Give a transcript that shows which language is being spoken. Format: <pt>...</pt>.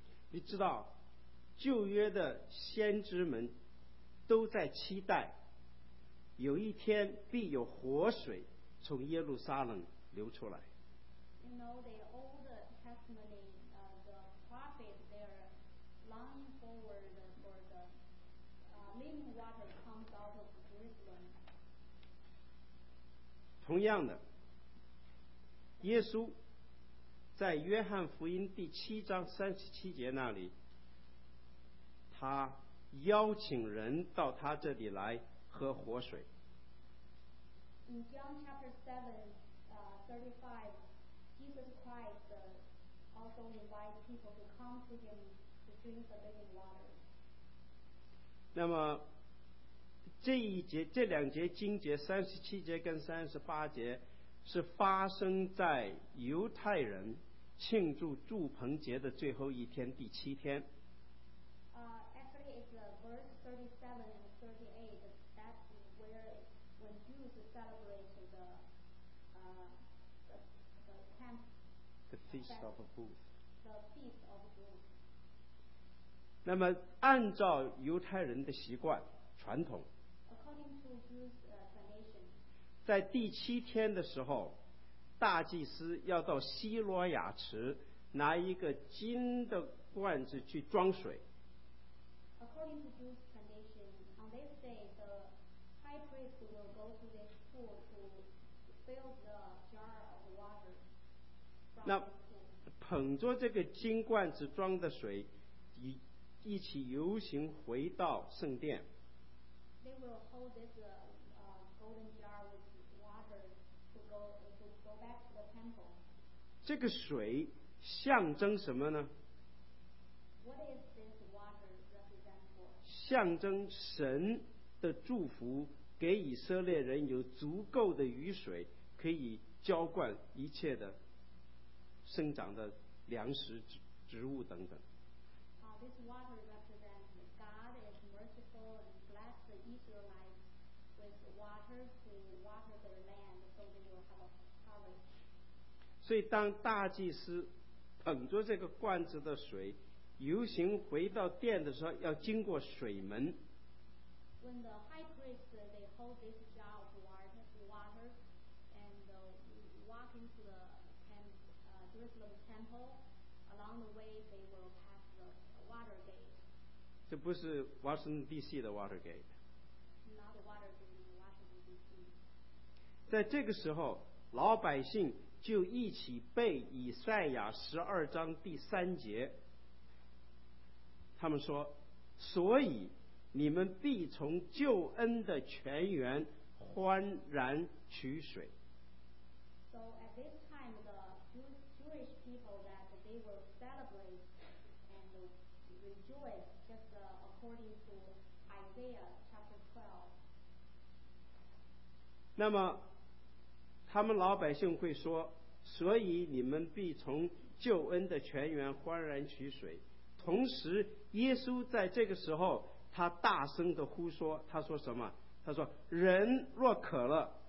<zh>你知道旧约的先知们都在期待有一天必有活水从耶路撒冷流出来。</zh> <en>You know, the Old Testament, the prophet, they're longing forward for the living water comes out of Jerusalem.</en> <zh>同样的，耶稣在约翰福音第七章三十七节那里，他邀请人到他这里来喝活水。</zh> <en>In John chapter 7:35, Jesus Christ also invites people to come to him to drink the living water.</en> <zh>那么这一节这两节经节三十七节跟三十八节是发生在犹太人庆祝祝棚节的最后一天，第七天。</zh> <en>Actually, it's verse 37 and 38. That's where when Jews celebrate the camp. The feast of booths. The feast of booths.</en> <zh>那么，按照犹太人的习惯传统</zh> <en>，According to Jews tradition,</en> <zh>在第七天的时候，大祭司要到希罗亚池拿一个金的罐子去装水。</zh> <en>According to Jews tradition, on this day, the high priest will go to this pool to fill the jar of water.</en> <zh>那捧着这个金罐子装的水，一起游行回到圣殿。</zh> <en>They will hold this golden jar with water to go.</en> <zh>这个水象征什么呢？</zh> <en>What is this water represent for?</en> <zh>象征神的祝福，给以色列人有足够的雨水，可以浇灌一切的生长的粮食、植物等等。</zh> <en>This water represents God is merciful and bless the Israelites with water to water their land so they will have a harvest.</en> <zh>所以当大祭司捧着这个罐子的水游行回到殿的时候，要经过水门。</zh> <en>When the high priest they hold this jar of water and walk into the Jerusalem temple, along the way they will pass the water gate.</en> <zh>这不是 Washington DC 的 water gate.</zh> <en>Not the water gate in Washington DC.</en> <zh>在这个时候老百姓就一起背以赛亚十二章第三节，他们说，所以你们必从救恩的泉源欢然取水。</zh> <en>So at this time the Jewish people that they will celebrate and rejoice just according to Isaiah chapter 12.</en> <zh>那么他们老百姓会说，所以你们必从救恩的泉源欢然取水。同时耶稣在这个时候他大声的呼说，他说什么？他说，人若渴了</zh>